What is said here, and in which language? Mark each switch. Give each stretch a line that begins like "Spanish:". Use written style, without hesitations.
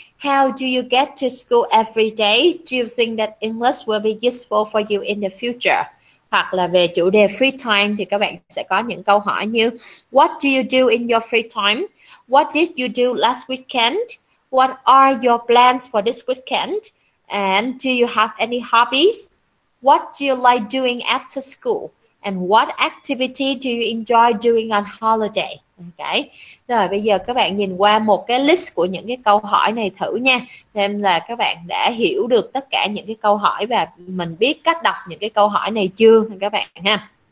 English: How do you get to school every day? Do you think that English will be useful for you in the future?
Vietnamese: Hoặc là về chủ đề free time thì các bạn sẽ có những câu hỏi như
English: what do you do in your free time? What did you do last weekend? What are your plans for this weekend? And do you have any hobbies? What do you like doing after school? And what activity do you enjoy doing on holiday? Okay.
Vietnamese: Rồi bây giờ các bạn nhìn qua một cái list của những cái câu hỏi này thử nha. Xem là các bạn đã hiểu được tất cả những cái câu hỏi và mình biết cách đọc những cái câu hỏi này chưa các bạn ha.